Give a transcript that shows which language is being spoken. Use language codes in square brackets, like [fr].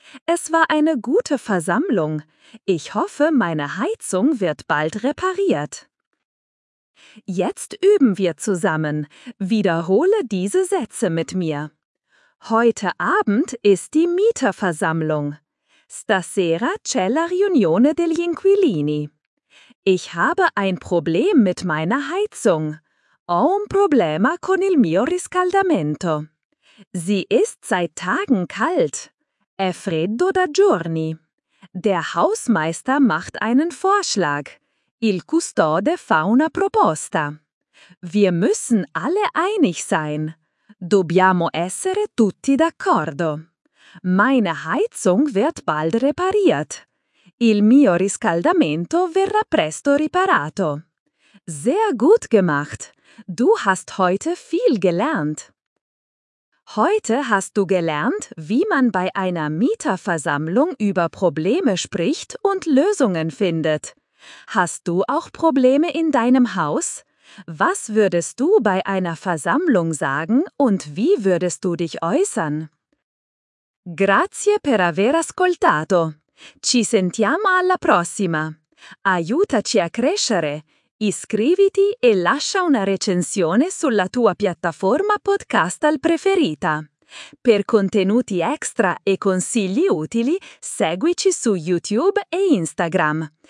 [de] Es war eine gute Versammlung. Ich hoffe, meine Heizung wird bald repariert. Jetzt üben wir zusammen. Wiederhole diese Sätze mit mir. Heute Abend ist die Mieterversammlung. [it] Stasera c'è la riunione degli inquilini. [de] Ich habe ein Problem mit meiner Heizung. [it] Ho un problema con il mio riscaldamento. [de] Sie ist seit Tagen kalt. [it] È freddo da giorni. [de] Der Hausmeister macht einen Vorschlag. [it] Il custode fa una proposta. [de] Wir müssen alle einig sein. [it] Dobbiamo essere tutti d'accordo. [de] Meine Heizung wird bald repariert. [it] Il mio riscaldamento verrà presto riparato. [de] Sehr gut gemacht. Du hast heute viel gelernt. Heute hast du gelernt, wie man bei einer Mieterversammlung über Probleme spricht und Lösungen findet. Hast du auch Probleme in deinem Haus? Was würdest du bei einer Versammlung sagen und wie würdest du dich äußern? [it] Grazie per aver ascoltato. Ci sentiamo alla prossima. Aiutaci a crescere. Iscriviti e lascia una recensione sulla tua piattaforma podcast preferita. Per contenuti extra e consigli utili, seguici su YouTube e Instagram.